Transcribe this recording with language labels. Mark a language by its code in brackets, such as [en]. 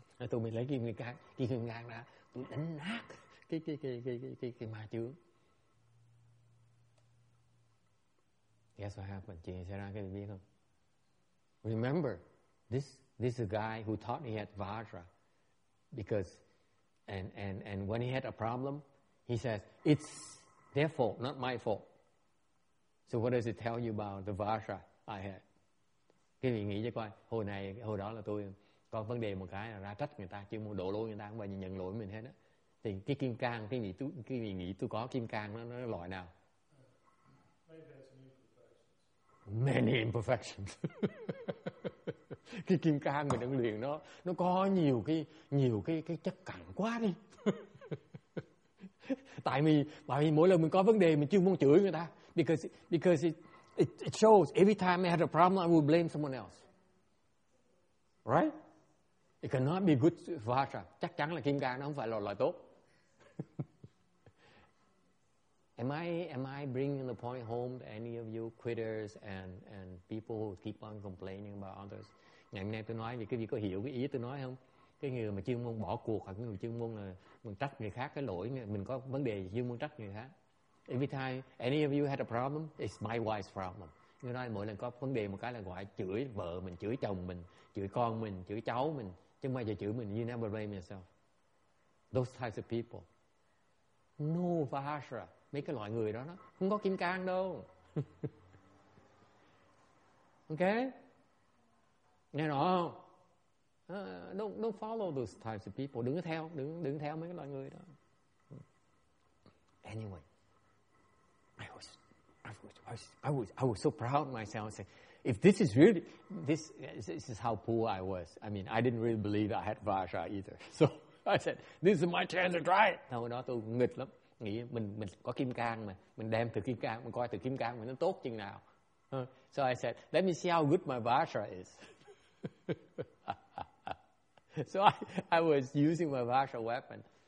[vi] Tôi mới lấy kim cang ra, tôi đánh nát cái ma chướng. [en] Guess what happened? [vi] Chuyện xảy ra, các bạn biết không? [en] Remember, this is a guy who thought he had Vajra, because and when he had a problem, he says it's their fault, not my fault. So what does it tell you about the Vajra I had? [vi] Các bạn nghĩ cho coi, hồi đó là tôi có vấn đề một cái là ra trách người ta, chứ muốn đổ lỗi người ta, không bao giờ nhận lỗi mình hết á. Thì cái kim cang, cái gì tôi có kim cang nó loại nào? [en] Many imperfections. [vi] Cái kim cang mình đang luyện nó có nhiều cái chất cặn quá đi. Tại vì mỗi lần mình có vấn đề mình chưa muốn chửi người ta, [en] because it shows every time I had a problem I would blame someone else, right? It cannot be good Vajra. [vi] Chắc chắn là kim cang nó không phải là loại tốt. [en] Am I bringing the point home to any of you quitters and people who keep on complaining about others? [vi] Ngày hôm nay tôi nói, vì cái gì có hiểu cái ý tôi nói không? Cái người mà chuyên môn bỏ cuộc hoặc người chuyên môn là mình trách người khác cái lỗi, mình có vấn đề gì chuyên môn trách người khác. [en] Every time any of you had a problem, it's my wife's problem. [vi] Người nói mỗi lần có vấn đề một cái là gọi chửi vợ mình, chửi chồng mình, chửi con mình, chửi cháu mình, chứ không bao giờ chửi mình. [en] You never blame yourself. Those types of people. No Vajra. [vi] Mấy cái loại người đó nó không có kim cang đâu. Ok? Nghe rõ không? [en] Don't follow those types of people. [vi] Đừng theo mấy cái loại người đó. [en] Anyway, I was so proud of myself. Say, if this is really, this is how poor I was. I mean, I didn't really believe I had Vajra either. So I said, this is my chance to try it. [vi] Thôi đó tôi nghịch lắm. Nghĩ mình có kim cang mà, mình đem thử kim cang, mình coi thử kim cang mình nó tốt chừng nào. [en] So I said, let me see how good my Vajra is. So I was using my Vajra weapon.